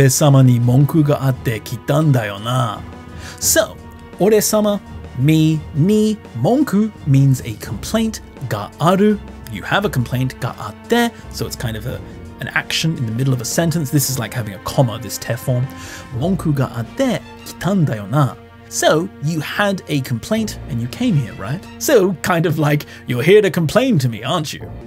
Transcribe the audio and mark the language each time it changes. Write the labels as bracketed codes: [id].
[ja] どうせお前もそこの族どもと同じだろう。俺様に文句があってきたんだよな。俺様に文句があってきたんだよな。 [en] So, 俺様, me, ni, 文句 means a complaint, [ja] がある, [en] you have a complaint, [ja] があって, [en] so it's kind of an action in the middle of a sentence. This is like having a comma, this te form. [ja] 文句があってきたんだよな。 [en] So, you had a complaint and you came here, right? So, kind of like, you're here to complain to me, aren't you?